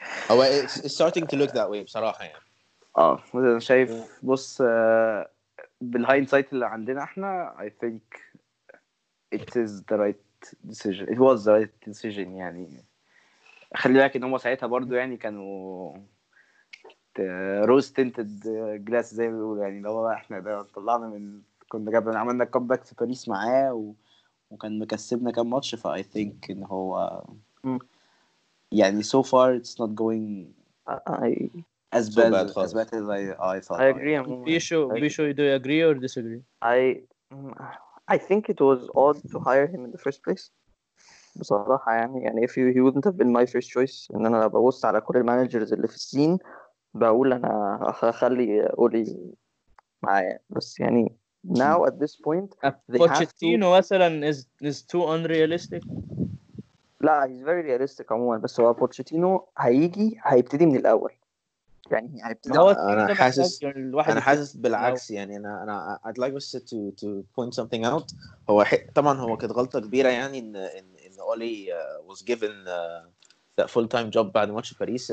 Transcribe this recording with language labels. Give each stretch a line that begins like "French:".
English: Oh, it's starting to look that way بصراحة يعني.
Arabic: انا شايف بص بالهايندسايت اللي عندنا احنا,
English: I think it is the right decision. It was the right decision يعني.
Arabic: خلي بالك ان هم ساعتها برضو يعني كانوا روز تنتد جلاس زي ما بيقولوا يعني, لو احنا ده طلعنا من كنا جابنا عملنا كومباك في باريس معاه وكان مكسبنا كام ماتش, فا I think ان هو يعني
English: so far it's not going as bad as I thought. I agree. Bisho, do you agree or disagree? I think it was odd to hire him in the first place.
Arabic: بصراحة يعني, يعني
English: if he wouldn't have been my first choice,
Arabic: إن أنا ببص على كل المانجرز اللي في السين بقول أنا هخلي أولي معايا, بس يعني
English: now at this point they Pochettino مثلاً is too unrealistic.
Arabic: لا,
English: he's very realistic
Arabic: عموماً, بس هو بوتشيتينو هيجي هيبتدي من الأول يعني هيبتدي. أنا حاسس بالعكس يعني.
English: أنا I'd like us to point something out.
Arabic: هو طبعاً هو كانت غلطة كبيرة يعني إن أولي
English: was given that full time job
Arabic: بعد ماتش باريس.